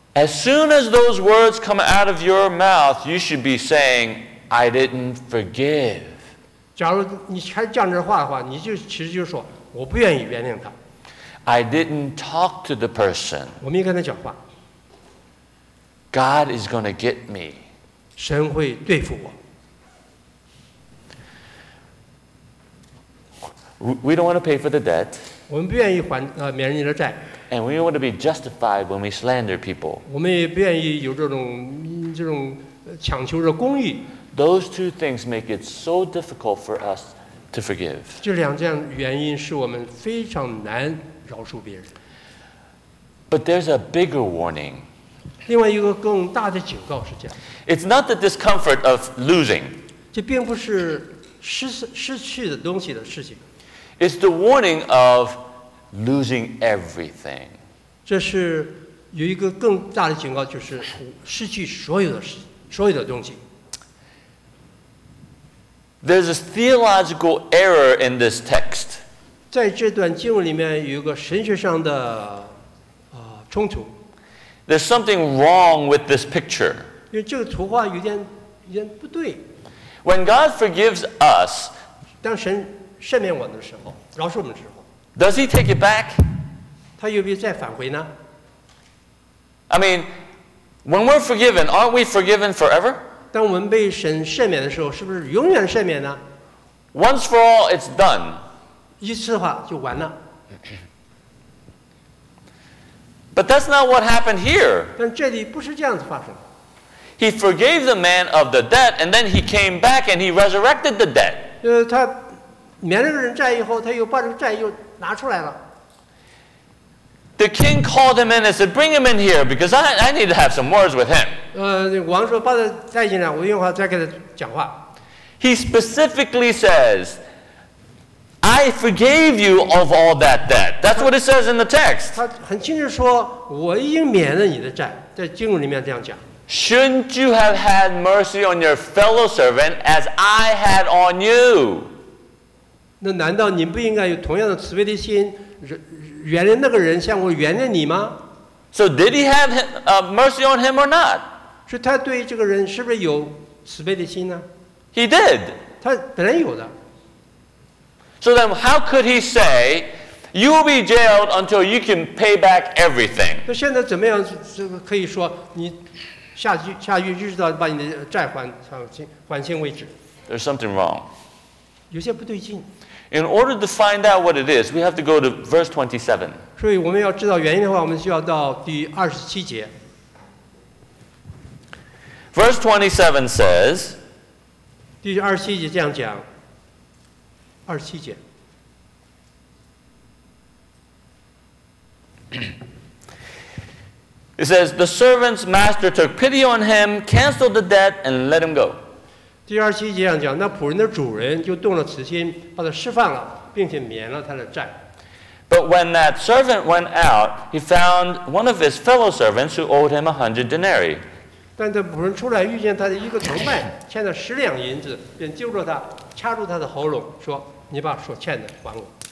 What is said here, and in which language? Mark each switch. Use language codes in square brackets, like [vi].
[en] As soon as those words come out of your mouth, you should be saying, I didn't forgive. [zh] 假如你还讲这话的话，你就其实就说我不愿意原谅他。 [en] I didn't talk to the person. [zh] 我没跟他讲话。 [en] God is going to get me. [zh] 神会对付我。 [en] We don't want to pay for the debt. [zh] 我们不愿意还免人家的债。 [en] And we want to be justified when we slander people. [zh] 我们也不愿意有这种强求的公义。 [en] Those two things make it so difficult for us to forgive. [zh] 这两件原因是我们非常难饶恕别人。 [en] But there's a bigger warning. [zh] 另外一个更大的警告是这样。 [en] It's not the discomfort of losing. [zh] 这并不是失去的东西的事情。 [en] It's the warning of losing everything. [zh] 这是有一个更大的警告，就是失去所有的东西。 [en] There's a theological error in this text. [zh] 在这段经文里面有一个神学上的冲突。 [en] There's something wrong with this picture. [zh] 因为这个图画有点不对。 [en] When God forgives us, [zh] 当神赦免我们的时候，饶恕我们的时候， [en] Does He take it back? [zh] 他有没有再返回呢？ [en] I mean, when we're forgiven, aren't we forgiven forever? [zh] 当我们被神赦免的时候，是不是永远赦免呢？ [en] Once for all, it's done. [zh] 一次的话就完了。 [en] But that's not what happened here. [zh] 但这里不是这样子发生。 [en] He forgave the man of the debt, and then he came back and he resurrected the debt. [zh] 他免了人债以后，他又把这个债又拿出来了。 [en] The king called him in and said, bring him in here, because I need to have some words with him. [zh] 王说把他带进来，我用话再跟他讲话。 [en] He specifically says, I forgave you of all that debt. That's what it says in the text. [zh] 他很清楚说，我已经免了你的债，在经文里面这样讲。 [en] Shouldn't you have had mercy on your fellow servant as I had on you? [zh] 那难道你不应该有同样的慈悲的心，原来那个人像我原来你吗？ [en] So did he have mercy on him or not? [zh] 是他对这个人是不是有慈悲的心呢？ [en] He did. [zh] 他本来有的。 [en] So then how could he say, you will be jailed until you can pay back everything? [zh] 那现在怎么样可以说你下狱一直到把你的债还清为止？ [en] There's something wrong. [zh] 有些不对劲。 [en] In order to find out what it is, we have to go to verse 27. [zh] 所以我们要知道原因的话，我们需要到第二十七节。 [en] Verse 27 says. [zh] 第二十七节这样讲。二十七节。 [en] It says the servant's master took pity on him, canceled the debt, and let him go. [zh] 第二七节上讲，那仆人的主人就动了慈心，把他释放了，并且免了他的债。 [en] But when that servant went out, he found one of his fellow servants who owed him 100 denarii. [zh] 但这仆人出来遇见他的一个同伴，欠了10两银子，便揪住他，掐住他的喉咙，说：“你把所欠的还我。